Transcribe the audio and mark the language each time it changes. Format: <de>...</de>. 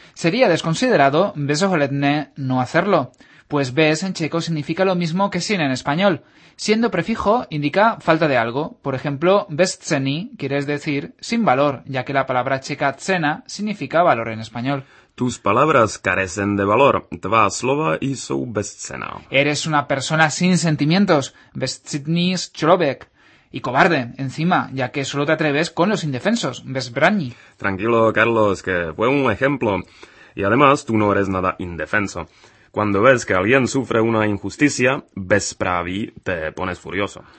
<es>Sería desconsiderado,</es> <cs>bez oholetne,</cs> <es>no hacerlo. Pues bez en checo significa lo mismo que sin en español. Siendo prefijo, indica falta de algo. Por ejemplo, bez ceni, quiere decir sin valor, ya que la palabra checa cena significa valor en español. Tus palabras carecen de valor.</es> <cs>Tva slova jsou bezcenná.</cs> <es>Eres una persona sin sentimientos.</es> <cs>Bezcitný člověk.</cs> <es>Y cobarde, encima, ya que solo te atreves con los indefensos. Bezbraní. Tranquilo, Carlos, que fue un ejemplo. Y además, tú no eres nada indefenso. Cuando ves que alguien sufre una injusticia, bezpráví, te pones furioso.</es>